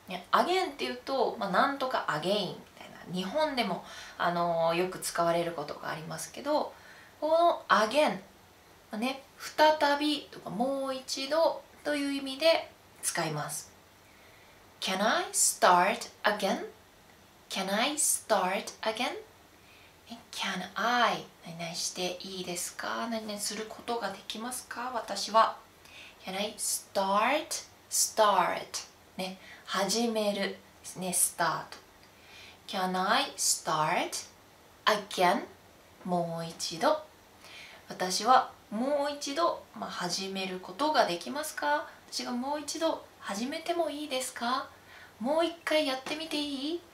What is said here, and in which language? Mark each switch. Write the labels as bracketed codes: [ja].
[ja] again っていうと、まあ、なんとか again みたいな、日本でもよく使われることがありますけど、この againね、再びとかもう一度という意味で使います。 [en] Can I start again? Can I start again? Can I [ja] 何々していいですか？何々することができますか？私は [en] Can I start? [ja] Start、ね、始めるですね、 Start。 [en] Can I start again? [ja] もう一度、私はもう一度、まあ、始めることができますか？私がもう一度始めてもいいですか？もう一回やってみていい？